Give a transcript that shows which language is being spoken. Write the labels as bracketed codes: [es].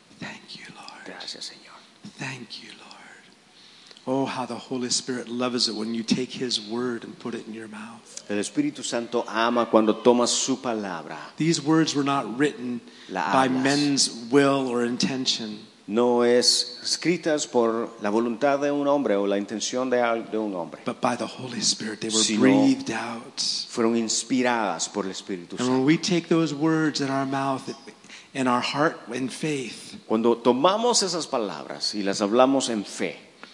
[en] Thank you, Lord. [es] Gracias, Señor. [en] Thank you, Lord. Oh, how the Holy Spirit loves it when you take His word and put it in your mouth. [es] El Espíritu Santo ama cuando tomas su palabra. [en] These words were not written by men's will or intention. [es] No es escritas por la voluntad de un hombre o la intención de un hombre. [en] But by the Holy Spirit, they were breathed out. [es] Fueron inspiradas por el Espíritu Santo. [en] And when we take those words in our mouth, in our heart, in faith. [es] Cuando tomamos esas palabras y las hablamos en fe.